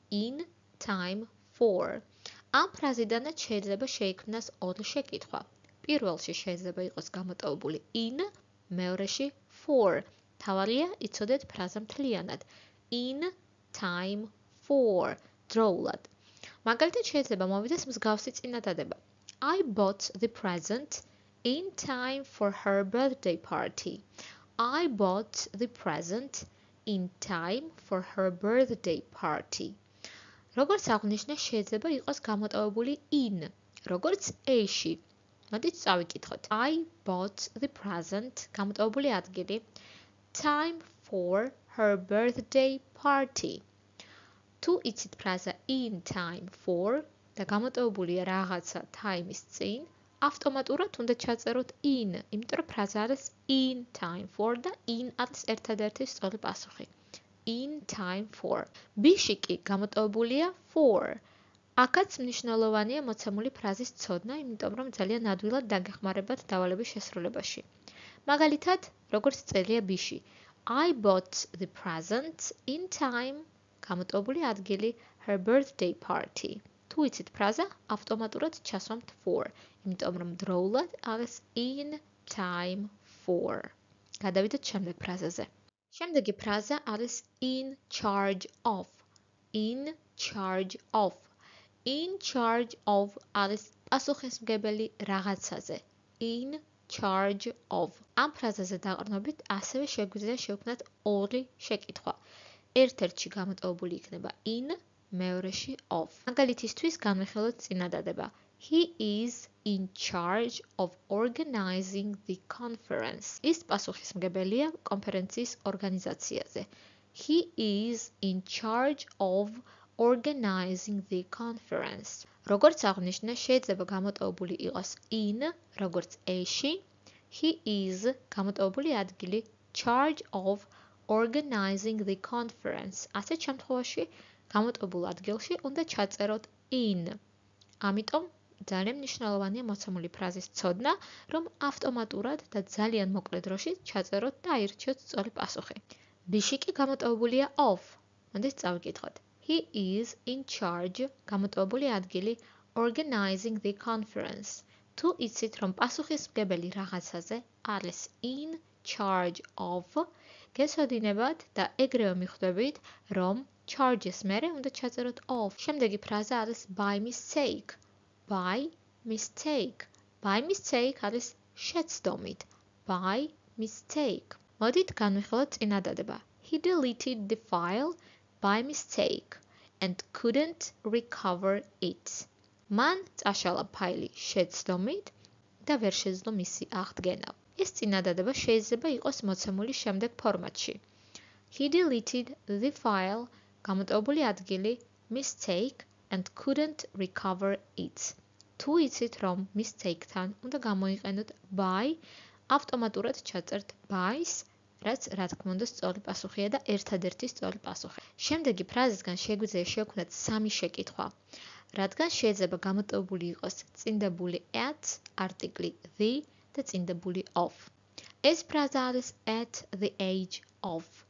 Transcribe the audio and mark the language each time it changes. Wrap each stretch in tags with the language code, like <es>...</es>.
<en>In time for.</en> <ka>ამ ფრაზიდანაც შეიძლება შეიქმნას ორი შეკითხვა. პირველში შეიძლება იყოს გამოტოვებული in, მეორეში for. თავარია იცოდეთ ფრაზა მთლიანად.</ka> <en>In time for.</en> <ka>დროულად. მაგალითად შეიძლება მოვიდეს მსგავსი წინადადება.</ka> <en>I bought the present in time for her birthday party. I bought the present in time for her birthday party.</en> <ka>როგორც აღნიშნე, შეიძლება იყოს გამოტოვებული in, როგორც a-ში. მოდით წავიკითხოთ.</ka> <en>I bought the present,</en> <ka>გამოტოვებული ადგილი,</ka> <en>time for her birthday party.</en> <ka>თუ იცით ფრაზა</ka> <en>in time for</en> <ka>და გამოტოვებულია რაღაცა time-ის წინ, ავტომატურად უნდა ჩაწეროთ in, იმიტომ რომ ფრაზა არის in time for და in არის ერთადერთი სწორი პასუხი.</ka> <en>In time for.</en> <ka>B-ში კი გამოტოვებულია for. აქაც მნიშვნელოვანია მოცემული ფრაზის ცოდნა, იმიტომ რომ ძალიან ადვილად დაგეხმარებათ დავალების შესრულებაში. მაგალითად, როგორც წერია B-ში.</ka> <en>I bought the present in time,</en> <ka>გამოტოვებული ადგილი</ka> <en>her birthday party.</en> <ka>თუ იცით ფრაზა, ავტომატურად ჩასვამთ for, იმიტომ რომ დროულად არის</ka> <en>in time for.</en> <ka>გადავიდეთ შემდეგ ფრაზაზე. შემდეგი ფრაზა არის</ka> <en>in charge of. In charge of. In charge of</en> <ka>არის პასუხისმგებელი რაღაცაზე.</ka> <en>In charge of.</en> <ka>ამ ფრაზაზე დაყრდნობით ასევე შეგვიძლია შევქმნათ ორი შეკითხვა. ერთ-ერთში გამოტოვებული იქნება in, მეორეში of. მაგალითისთვის განვიხილოთ წინადადება.</ka> <en>He is in charge of organizing the conference.</en> <ka>ის პასუხისმგებელია კონფერენციის ორგანიზაციაზე.</ka> <en>He is in charge of organizing the conference.</en> <ka>როგორც აღნიშნა, შეიძლება გამოტოვებული იყოს in, როგორც a-ში.</ka> <en>He is</en> <ka>გამოტოვებული ადგილი</ka> <en>charge of organizing the conference.</en> <ka>ასეთ შემთხვევაში გამოტოვებულ ადგილში უნდა ჩაწეროთ in. ამიტომ ძალიან მნიშვნელოვანია მოცემული ფრაზის ცოდნა, რომ ავტომატურად და ძალიან მოკლე დროში ჩაწეროთ და აირჩიოთ სწორი პასუხი. B-ში კი გამოტოვებულია of. მოდი წავიკითხოთ.</ka> <en>He is in charge,</en> <ka>გამოტოვებული ადგილი,</ka> <en>organizing the conference.</en> <ka>თუ იცით, რომ პასუხისმგებელი რაღაცაზე არის</ka> <en>in charge of,</en> <ka>გესვადინებათ და ეგრევე მიხვდებით, რომ charges მერე უნდა ჩაწეროთ of. შემდეგი ფრაზა არის</ka> <en>by mistake. By mistake. By mistake</en> <ka>არის შეცდომით.</ka> <en>By mistake.</en> <ka>მოდით განვიხილოთ წინადადება.</ka> <en>He deleted the file by mistake and couldn't recover it.</en> <ka>Man წაშალა ფაილი შეცდომით და ვერ შეძლო მისი აღდგენა. ეს წინადადება შეიძლება იყოს მოცემული შემდეგ ფორმატში.</ka> <en>He deleted the file,</en> <ka>გამოტოვებული ადგილი,</ka> <en>mistake and couldn't recover it.</en> <ka>თუ იცით, რომ mistake-თან უნდა გამოიყენოთ by, ავტომატურად ჩაწერთ by-ს, რაც რა თქმა უნდა სწორი პასუხია და ერთადერთი სწორი პასუხი. შემდეგი ფრაზისგან შეგვიძლია შევქმნათ სამი შეკითხვა. რადგან შეიძლება გამოტოვებული იყოს წინდებული at, article the და წინდებული of. ეს ფრაზა არის</ka> <en>at the age of.</en>